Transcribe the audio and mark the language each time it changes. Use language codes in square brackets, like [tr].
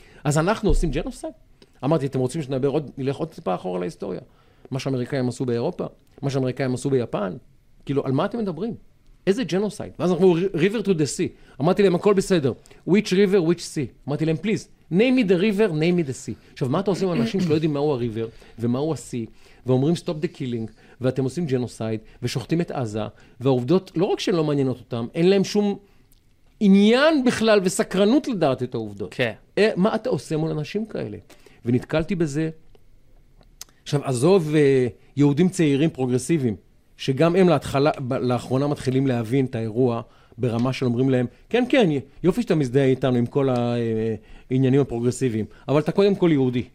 [he] אז אנחנו עושים ג'נוסייד. אמרתי, אתם רוצים שנדבר עוד, נלך עוד טיפה אחורה להיסטוריה. מה שאמריקאים עשו באירופה, מה שאמריקאים עשו ביפן, כאילו, על מה אתם מדברים? איזה ג'נוסייד? ואז אנחנו [en] river to the sea. [he] אמרתי להם, הכל בסדר. [en] Which river, which sea? [he] אמרתי להם, [en] please, name me the river, name me the sea. [he] עכשיו, מה אתה עושים עם אנשים שלא יודעים מהו הריבר ומהו ה-sea, ואומרים [en] stop the killing, [he] ואתם עושים ג'נוסייד, ושוחטים את עזה, והעובדות, לא רק שהן לא מעניינות אותם, אין להם שום עניין בכלל וסקרנות לדעת את העובדות. כן. מה אתה עושה מול אנשים כאלה? ונתקלתי בזה. עכשיו, עזוב יהודים צעירים פרוגרסיביים, שגם הם להתחלה, לאחרונה מתחילים להבין את האירוע ברמה של אומרים להם, כן, כן, יופי שאתה מזדהה איתנו עם כל העניינים הפרוגרסיביים, אבל אתה קודם כל יהודי.